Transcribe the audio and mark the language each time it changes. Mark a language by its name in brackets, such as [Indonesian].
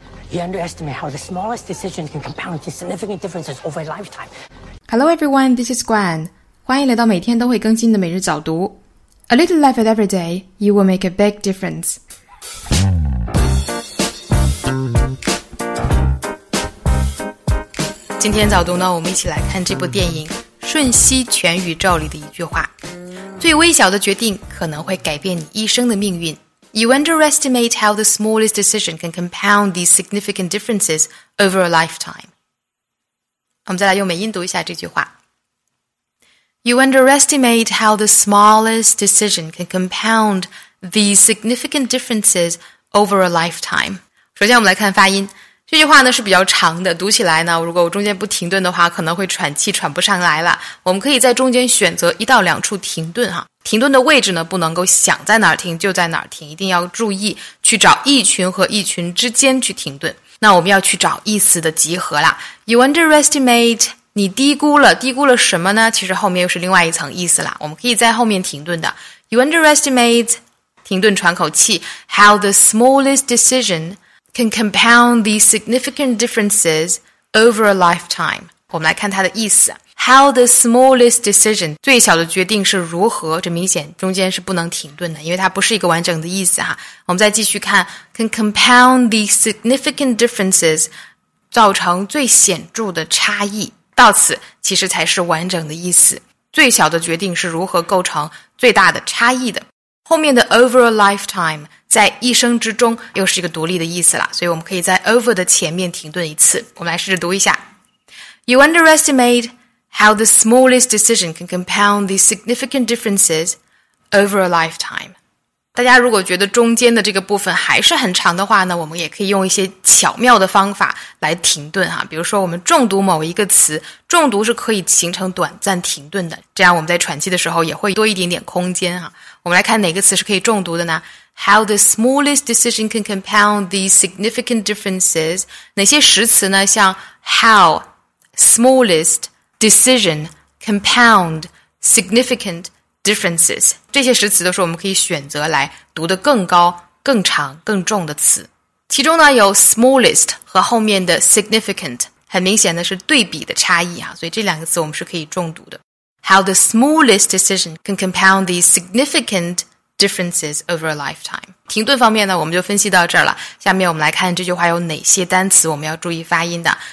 [English] You underestimate how the smallest decision can compound to significant differences over a lifetime. Hello everyone, this is Gwen. [Chinese] 欢迎来到每天都会更新的每日早读。 [English] A little effort every day, you will make a big difference. [Chinese] 今天早读呢，我们一起来看这部电影《瞬息全宇宙》里的一句话：最微小的决定可能会改变你一生的命运。 [English] You underestimate how the smallest decision can compound these significant differences over a lifetime. [Chinese] 我们再来用美音读一下这句话。 [English] You underestimate how the smallest decision can compound these significant differences over a lifetime. [Chinese] 首先我们来看发音。这句话呢是比较长的，读起来呢，如果我中间不停顿的话，可能会喘气喘不上来了。我们可以在中间选择一到两处停顿哈。停顿的位置呢，不能够想在哪儿停就在哪儿停，一定要注意去找意群和意群之间去停顿。那我们要去找意思的集合啦。 [English] You underestimate, [Chinese] 你低估了，低估了什么呢？其实后面又是另外一层意思啦。我们可以在后面停顿的。 [English] You underestimate, [Chinese] 停顿喘口气。 [English] How the smallest decision can compound the significant differences over a lifetime. [Chinese] 我们来看它的意思。 [English] How the smallest decision, [Chinese] 最小的决定是如何，这明显中间是不能停顿的，因为它不是一个完整的意思哈。我们再继续看 [English] can compound the significant differences, [Chinese] 造成最显著的差异，到此其实才是完整的意思。最小的决定是如何构成最大的差异的。后面的 [English] over a lifetime, [Chinese] 在一生之中又是一个独立的意思了，所以我们可以在 over 的前面停顿一次。我们来试着读一下。 [English] You underestimate,How the smallest decision can compound the significant differences over a lifetime. [Chinese] 大家如果觉得中间的这个部分还是很长的话呢，我们也可以用一些巧妙的方法来停顿哈。比如说我们重读某一个词，重读是可以形成短暂停顿的，这样我们在喘气的时候也会多一点点空间哈。我们来看哪个词是可以重读的呢？ [English] How the smallest decision can compound the significant differences. [Chinese] 哪些实词呢？像 [English] how, smallest,Decision, compound, significant differences. [Chinese] 这些实词都是我们可以选择来读得更高、更长、更重的词。其中呢，有 smallest 和后面的 significant, 很明显的是对比的差异啊，所以这两个词我们是可以重读的。 [English] How the smallest decision can compound the significant differences over a lifetime. [Chinese] 停顿方面呢，我们就分析到这儿了。下面我们来看这句话有哪些单词我们要注意发音的。